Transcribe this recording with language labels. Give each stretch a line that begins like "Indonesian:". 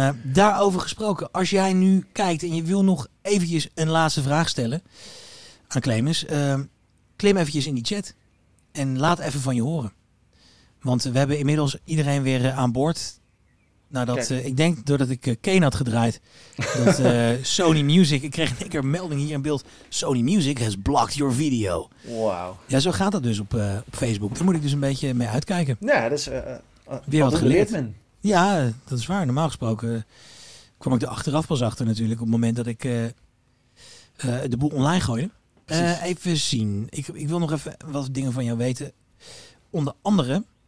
Dutch: Daarover gesproken, als jij nu kijkt en je wil nog eventjes een laatste vraag stellen aan Clemens. Klim eventjes in die chat en laat even van je horen. Want we hebben inmiddels iedereen weer aan boord. Nadat ik denk doordat ik Kane had gedraaid. Dat Sony Music, ik kreeg een keer melding hier in beeld.
English: Sony Music has blocked your video.
Dutch: Wauw. Ja, zo gaat dat dus op Facebook. Daar moet ik dus een beetje mee uitkijken. Ja, dat is weer wat geleerd. Ja, dat is waar. Normaal gesproken kwam ik er achteraf pas achter natuurlijk. Op het moment dat ik de boel online gooide. Even zien. Ik wil nog even wat dingen van jou weten. Onder andere...